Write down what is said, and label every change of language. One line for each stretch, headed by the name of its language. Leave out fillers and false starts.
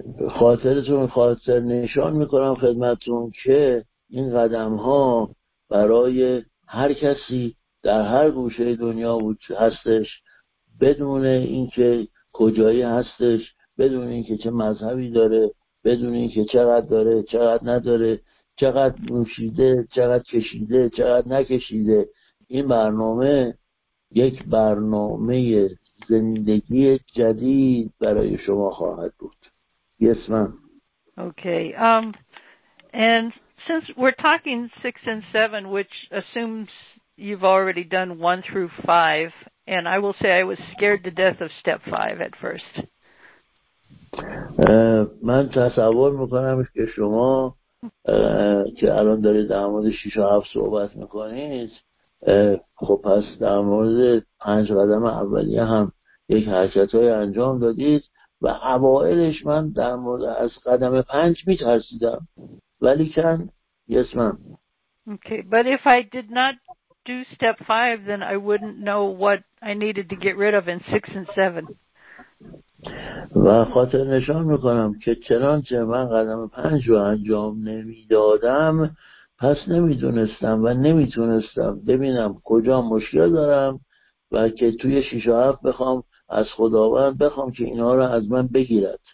Persian: خاطرتون خاطر نشان میکنم خدمتون که این قدم ها برای هر کسی در هر گوشه دنیا هستش، بدون اینکه کجایی هستش، بدون اینکه چه مذهبی داره، بدون اینکه چقدر داره چقدر نداره، چقدر نوشیده چقدر کشیده چقدر نکشیده، این برنامه یک برنامه زندگی جدید برای شما خواهد بود.
English: Yes, ma'am. Okay. And since we're talking 6 and 7, which assumes you've already done 1 through 5, and I will say I was scared to death of step 5 at first.
Persian: من تصور میکنم که شما که الان دارید در مورد 6 و 7 صحبت میکنید، خب پس در مورد 5 قدم اولیه هم یک حرکتای انجام دادید و اوائلش من در مورد از قدم 5 میترسیدم، ولی کن
English: yes ma'am. Okay, but if I did not do step 5 then I wouldn't know what I needed to get rid of in 6 and 7.
Persian: و خاطر نشان میکنم که چنانچه من قدم 5 رو انجام نمیدادم، پس نمیدونستم و نمیتونستم ببینم کجا مشکل دارم و که توی 6 و 7 بخوام از خداوند بخوام که اینها رو از من بگیرد.